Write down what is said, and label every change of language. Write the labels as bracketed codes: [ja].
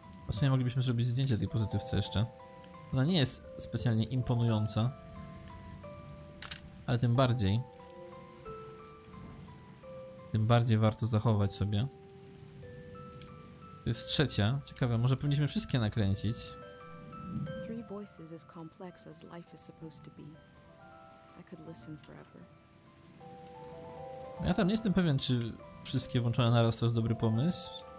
[pl] W sumie moglibyśmy zrobić zdjęcie tej pozytywce jeszcze. Ona nie jest specjalnie imponująca. Ale tym bardziej warto zachować sobie. To jest trzecia. Ciekawe, może powinniśmy wszystkie nakręcić. [en] Three voices as complex as life is supposed to be. I could listen forever. [pl] Ja tam nie jestem pewien, czy wszystkie włączone naraz to jest dobry pomysł.